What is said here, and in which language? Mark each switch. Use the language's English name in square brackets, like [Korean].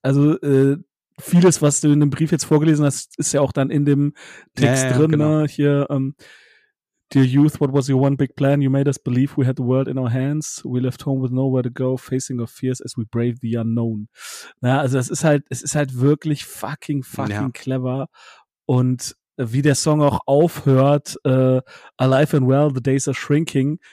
[German] Also vieles, was du in dem Brief jetzt vorgelesen hast, ist ja auch dann in dem Text drin, genau. Ne? [English] Hier, Dear Youth, what was your one big plan? You made us believe we had the world in our hands. We left home with nowhere to go, facing our fears as we brave the unknown. [German] Naja, also es ist halt wirklich fucking clever. Und wie der Song auch aufhört, [English] alive and well, the days are shrinking.